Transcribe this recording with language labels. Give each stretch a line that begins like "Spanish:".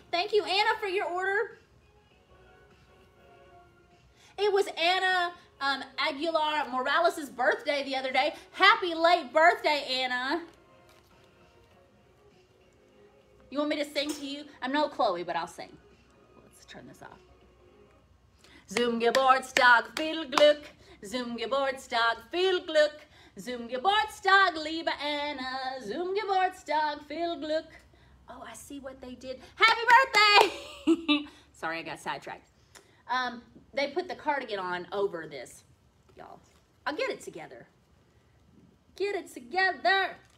English: Thank you, Anna, for your order. It was Anna Aguilar Morales' birthday the other day. Happy late birthday, Anna. You want me to sing to you? I'm no Chloe, but I'll sing. Let's turn this off.
German: Zum Geburtstag, viel Glück. Zum Geburtstag, viel Glück. Zum Geburtstag, liebe Anna. Zum Geburtstag, viel Glück.
English: Oh, I see what they did. Happy birthday! Sorry, I got sidetracked. They put the cardigan on over this, y'all. I'll get it together. Get it together.